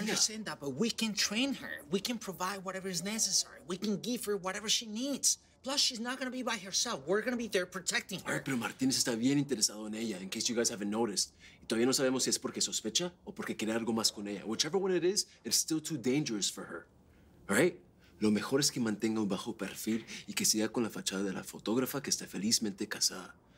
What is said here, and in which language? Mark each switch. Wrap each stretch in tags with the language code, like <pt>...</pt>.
<en>I understand that, but we can train her. We can provide whatever is necessary. We can give her whatever she needs. Plus, she's not going to be by herself. We're going to be there protecting her.</en> <es>Pero Martínez está bien interesado en ella,</es> <en>in case you guys haven't noticed.</en> <es>Y todavía no sabemos si es porque sospecha o porque quiere algo más con ella.</es> <en>Whichever one it is, it's still too dangerous for her. All right?</en> <es>Lo mejor es que mantenga un bajo perfil y que siga con la fachada de la fotógrafa que está felizmente casada.</es>